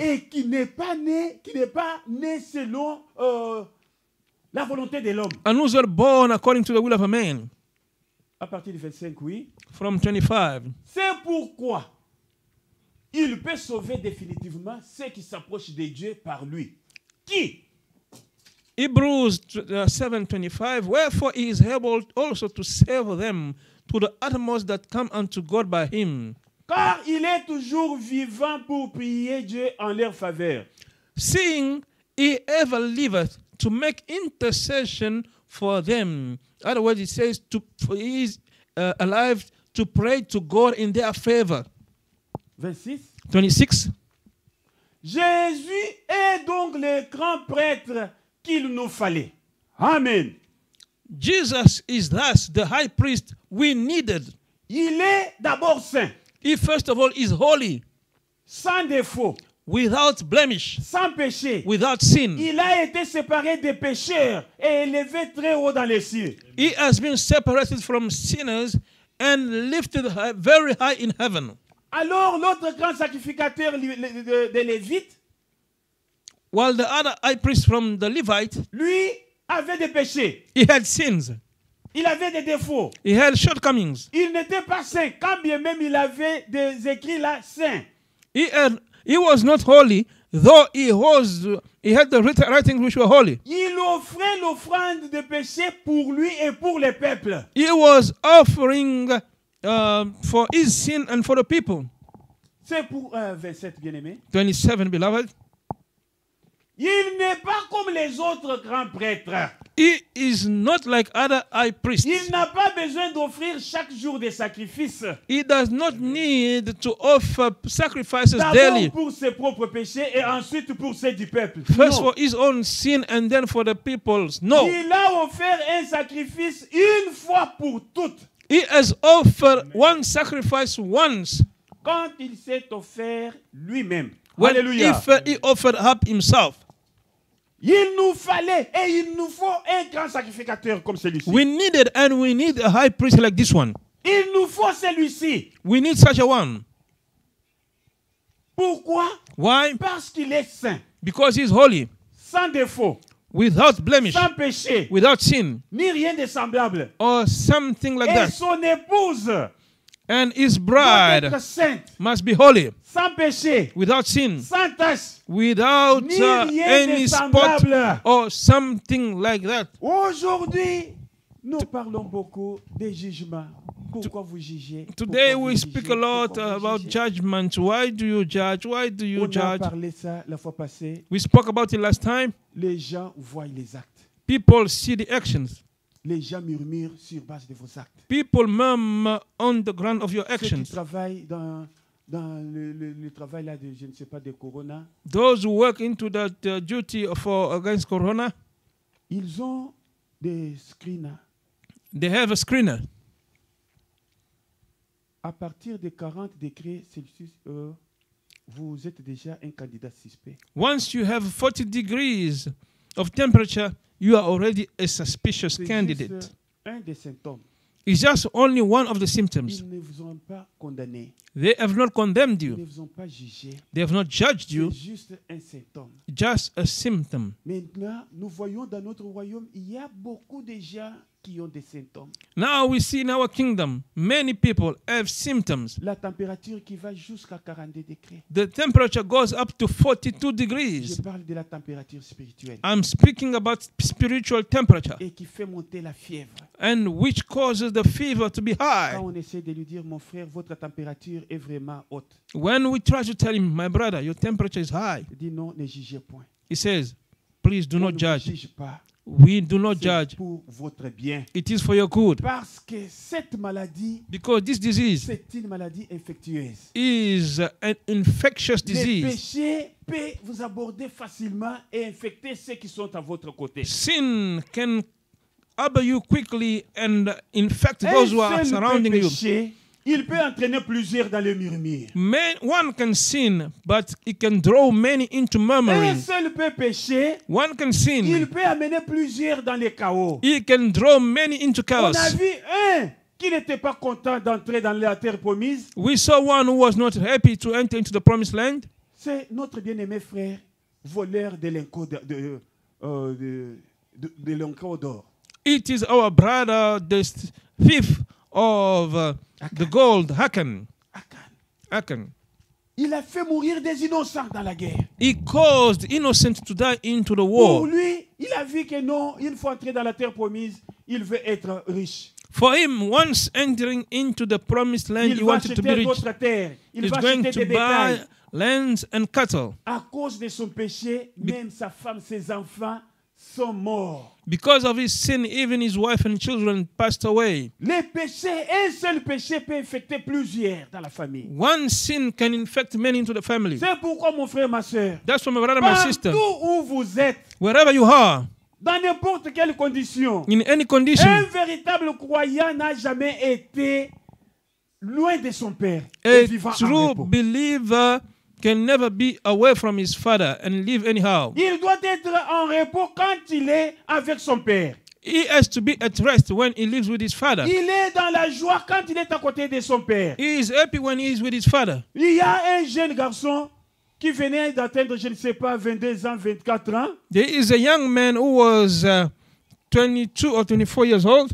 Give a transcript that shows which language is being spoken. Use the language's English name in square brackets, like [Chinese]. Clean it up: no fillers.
[French] Et qui n'est pas né selon la volonté de l'homme. [English] And who is born according to the will of a man. [French] À partir du 25, oui. [English] From 25. [French] C'est pourquoi il peut sauver définitivement ceux qui s'approchent de Dieu par lui. Qui? [English] Hebrews 7:25. Wherefore he is able also to save them to the utmost that come unto God by him. [French] Car il est toujours vivant pour prier Dieu en leur faveur. [English] Seeing he ever liveth to make intercession for them. Otherwise it says he is alive to pray to God in their favor. Verse 26. [French] Jésus est donc le grand prêtre qu'il nous fallait. [English] Amen. Jesus is thus the high priest we needed. [French] Il est d'abord saint. [English] He first of all is holy. [French] Sans défaut. [English] Without blemish. [French] Sans péché. [English] Without sin. [French] Il a été séparé des pécheurs et élevé très haut dans les cieux. [English] He has been separated from sinners and lifted very high in heaven. [French] Alors notre grand sacrificateur de Lévites, [English] while the other high priest from the Levite, [French] lui avait des péchés. [English] He had sins. [French] Il avait des défauts. [English] He had shortcomings. [French] Il n'était pas saint, quand bien même il avait des écrits là saints. [English] He was not holy, though he had the writings which were holy. [French] Il offrait l'offrande de péché pour lui et pour le peuple. [English] He was offering for his sin and for the people. [French] C'est pour verset bien-aimé. [English] 27, beloved. [French] Il n'est pas comme les autres grands prêtres. [English] He is not like other high priests. [French] Il n'a pas besoin d'offrir chaque jour des sacrifices. [English] He does not need to offer sacrifices daily. [French] D'abord pour ses propres péchés et ensuite pour ceux du peuple. [English] First for his own sin and then for the people's. No. [French] Il a offert un sacrifice une fois pour toutes. [English] He has offered Amen. One sacrifice once. [French] Quand il s'est offert lui-même. [English] When Alléluia. If he offered up himself. [French] Il nous fallait et il nous faut un grand sacrificateur comme celui-ci. [English] We needed and we need a high priest like this one. [French] Il nous faut celui-ci. [English] We need such a one. [French] Pourquoi? [English] Why? [French] Parce qu'il est saint. [English] Because he is holy. [French] Sans défaut. [English] Without blemish. [French] Sans péché. [English] Without sin. [French] Ni rien de semblable. [English] Or something like [French] et [English] that. [French] Et son épouse. [English] And his bride [French] doit être sainte. [English] Must be holy. [French] Sans péché. [English] Without sin. [French] Sans tache. [English] Without any spot. Or something like that. [French] Aujourd'hui, nous parlons beaucoup des jugements. Pourquoi vous jugez? [English] Today we speak a lot about judgment. Why do you judge? Why do you judge? [French] On a parlé ça la fois passée. [English] We spoke about it last time. [French] Les gens voient les actes. [English] People see the actions. [French] Les gens murmurent sur base de vos actes. [English] People murmur on the ground of your actions. [French] Ceux qui travaillent dans le travail là de je ne sais pas de corona. [English] Those who work into that duty for against corona. [French] Ils ont des screeners. [English] They have a screener. [French] À partir de 40 degrés Celsius, vous êtes déjà un candidat suspect. [English] Once you have 40 degrees of temperature, you are already a suspicious candidate. [French] Un des symptômes. [English] It's just only one of the symptoms. [French] Ils ne vous ont pas condamné. [English] They have not condemned you. [French] Ils ne vous ont pas jugé. [English] They have not judged you. [French] C'est juste un symptôme. [English] Just a symptom. [French] Maintenant, nous voyons dans notre royaume, il y a beaucoup de gens qui ont des symptômes. [English] Now we see in our kingdom, many people have symptoms. [French] La température qui va jusqu'à 40 degrés. [English] The temperature goes up to 42 degrees. [French] Je parle de la température spirituelle. [English] I'm speaking about spiritual temperature. [French] Et qui fait monter la fièvre. [English] And which causes the fever to be high. [French] Quand on essaie de lui dire, mon frère, votre température est vraiment haute. [English] When we try to tell him, my brother, your temperature is high. [French] Dit non, ne jugez point. [English] He says, please do not judge. [French] Ne juge pas. [English] We do not [French] c'est [English] judge. [French] Pour votre bien. [English] It is for your good. [French] Parce que cette maladie, [English] because this disease, [French] c'est une maladie infectieuse, [English] is an infectious disease. [French] Le péché peut vous aborder facilement et infecter ceux qui sont à votre côté. [English] Sin can abuse you quickly and infect et those who are surrounding you. [French] Péché, il peut entraîner plusieurs dans le murmure. [English] Man, one can sin, but it can draw many into murmuring. [French] Un seul peut pécher. [English] One can sin. [French] Il peut amener plusieurs dans le chaos. [English] It can draw many into chaos. [French] On a vu un qui n'était pas content d'entrer dans la terre promise. [English] We saw one who was not happy to enter into the promised land. [French] C'est notre bien-aimé frère, voleur de l'encore d'or. [English] It is our brother, the thief of the gold, Hakan. [French] Il a fait mourir des innocents dans la guerre. [English] He caused innocents to die into the war. [French] Pour lui, il a vu que non, une fois entré dans la terre promise, il veut être riche. [English] For him, once entering into the promised land, [French] il [English] he wanted to be rich. [French] Il va acheter d'autres terres. [English] He's going to buy lands and cattle. [French] À cause de son péché, même sa femme, ses enfants sont morts. [English] Because of his sin, even his wife and children passed away. [French] Les péchés, un seul péché peut infecter plusieurs dans la famille. [English] One sin can infect many into the family. [French] C'est pourquoi mon frère, ma sœur. [English] That's for my brother, my sister. [French] Partout où vous êtes. [English] Wherever you are. [French] Dans n'importe quelle condition. [English] In any condition. [French] Un véritable croyant n'a jamais été loin de son père. [English] A true believer can never be away from his father and live anyhow. [French] Il doit être en repos quand il est avec son père. [English] He has to be at rest when he lives with his father. [French] Il est dans la joie quand il est à côté de son père. [English] He is happy when he is with his father. [French] Il y a un jeune garçon qui venait d'atteindre, je ne sais pas, 22 ans, 24 ans. [English] There is a young man who was 22 or 24 years old.